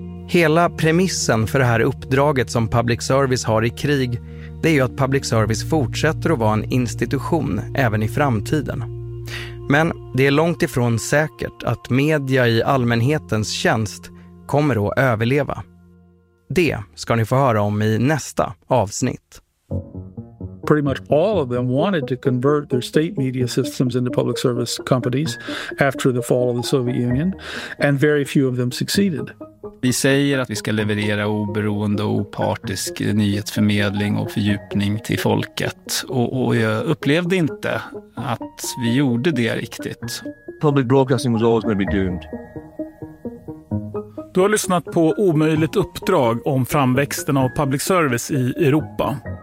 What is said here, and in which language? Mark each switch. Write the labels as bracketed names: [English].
[Swedish] Hela premissen för det här uppdraget som public service har i krig, det är ju att public service fortsätter att vara en institution även i framtiden. Men det är långt ifrån säkert att media i allmänhetens tjänst kommer att överleva. Det ska ni få höra om i nästa avsnitt. [English] Pretty much all of them wanted to convert their state media systems into public service companies after the fall of the Soviet Union, and very few of them succeeded. [Swedish] Vi säger att vi ska leverera oberoende och opartisk nyhetsförmedling och fördjupning till folket. Och jag upplevde inte att vi gjorde det riktigt. [English] Public broadcasting was always going to be doomed. [Swedish] Du har lyssnat på Omöjligt uppdrag om framväxten av public service i Europa.